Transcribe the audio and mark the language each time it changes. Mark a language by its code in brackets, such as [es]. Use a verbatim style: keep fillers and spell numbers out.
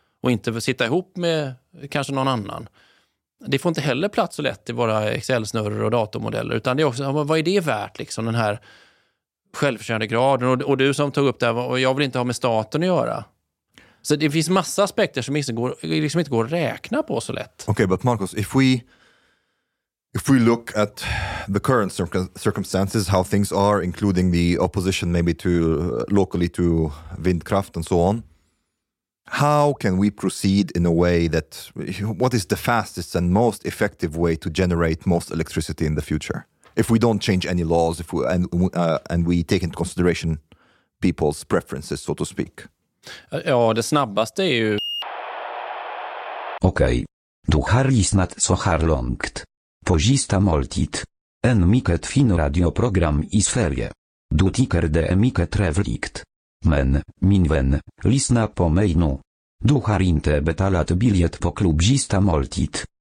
[sv] Och inte sitta ihop med kanske någon annan. Det får inte heller plats så lätt i våra Excel-snurror och datormodeller. Utan det är också, vad är det värt liksom, den här självförsörjandegraden? Och, och du som tog upp det här, och jag vill inte ha med staten att göra. Så det finns massa aspekter som liksom, går, liksom inte går att räkna på så lätt. [en] Okay, but Marcus, if we if we look at the current circumstances, how things are, including the opposition maybe to locally to windkraft and so on, how can we proceed in a way that, what is the fastest and most effective way to generate most electricity in the future? If we don't change any laws, if we and uh, and we take into consideration people's preferences, so to speak. [sv] Ja, det snabbaste är ju... Okej. Okay. Du har lyssnat så här långt. På sista måltid. En mycket fin radioprogram i Sverige. Du tycker det är mycket trevligt. Men, min vän, lyssna på mig nu. Du har inte betalat biljet på klubb sista måltid.